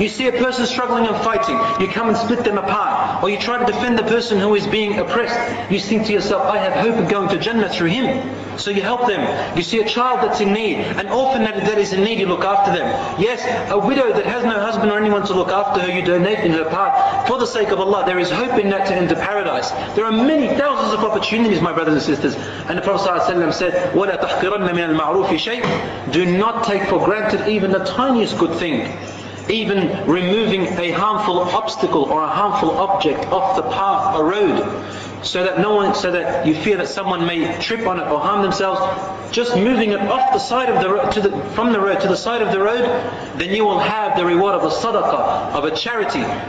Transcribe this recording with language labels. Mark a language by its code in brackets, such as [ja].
[en] You see a person struggling and fighting, you come and split them apart, or you try to defend the person who is being oppressed, you think to yourself, I have hope of going to Jannah through him. So you help them. You see a child that's in need, an orphan that is in need, you look after them. Yes, a widow that has no husband or anyone to look after her, you donate in her path. For the sake of Allah, there is hope in that to enter paradise. There are many thousands of opportunities, my brothers and sisters. [ar] And the Prophet ﷺ said, وَلَا تَحْقِرَنَّ مِنَ الْمَعْرُوفِ شَيْءٍ. [en] Do not take for granted even the tiniest good thing. Even removing a harmful obstacle or a harmful object off the path, a road, so that you fear that someone may trip on it or harm themselves, just moving it off the side of the road to the side of the road, then you will have the reward of a sadaqah, of a charity.